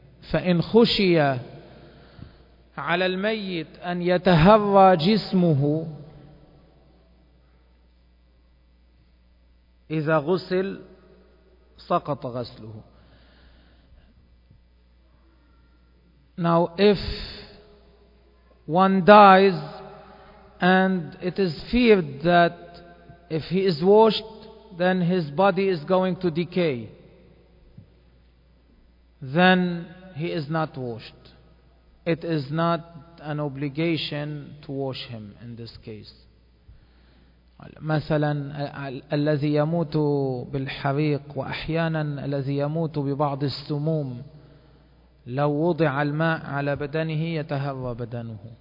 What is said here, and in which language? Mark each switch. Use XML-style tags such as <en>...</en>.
<ar>فإن خشية على الميت أن يتهرى جسمه إذا غسل سقط غسله.</ar> <en>Now if one dies and it is feared that if he is washed then his body is going to decay, then he is not washed. It is not an obligation to wash him in this case.</en> <ar>مثلا الذي يموت بالحريق وأحيانا الذي يموت ببعض السموم لو وضع الماء على بدنه يتهرى بدنه.</ar>